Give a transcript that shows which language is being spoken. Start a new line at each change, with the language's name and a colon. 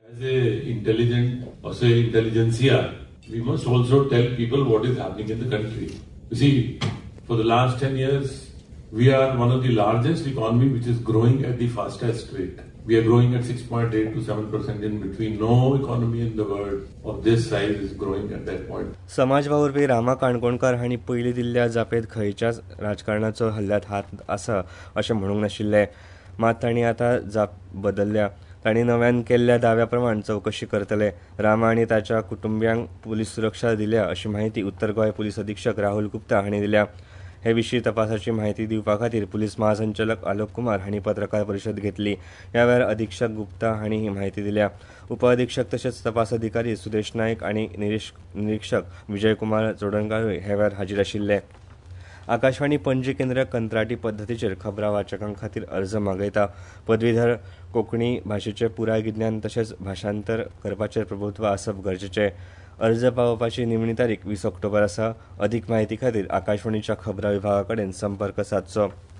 English: As a intelligent असो intelligentsia, we must also tell people what is happening in the country. You see, for the last 10 years we are one of the largest economy which is growing at the fastest rate. We are growing at 6.8 to 7% in between. No economy in the world of this size is growing at that point.
Goan Konkani: समाजवावुरपी रामा काणकोणकार हांणी पयली दिल्ल्या जापेत खंयच्याच राजकारणाचो हल्ल्यात हात आसा अशें म्हणूंक नाशिल्ले. मात तांणी आतां जाप बदल्ल्या. तांणी नव्यान केल्ल्या दाव्या प्रमाण चौकशी करतले. रामा आनी ताच्या कुटुंबियांक पुलीस सुरक्षा दिल्या अशी माहिती उत्तर गोंय पुलीस अधीक्षक राहुल गुप्ता हांणी दिल्या. हे विशीं तपासाची माहिती दिवपा खातीर पुलीस महासंचालक आलोक कुमार हांणी पत्रकार परिशद घेतली. ह्या वेळार अधीक्षक गुप्ता हांणी ही माहिती दिल्या. उप अधीक्षक तशेंच तपास अधिकारी सुदेश नायक आनी निरीक्षक विजय कुमार चोडणकारूय हे वेळार हाजीर आशिल्ले. आकाशवाणी पणजी केंद्र कंत्राटी पद्दतीचेर खबरां वाचकां खातीर अर्ज मागयता. पदवीधर कोंकणी भाशेचें पुराय गिज्ञान तशेंच भाशांतर करपाचेर प्रभुत्व आसप गरजेचें. अर्ज पावोवपाची निमणी तारीख 20 ऑक्टोबर आसा. अधिक माहिती खातीर आकाशवाणीच्या खबरां विभागा कडेन संपर्क सादचो.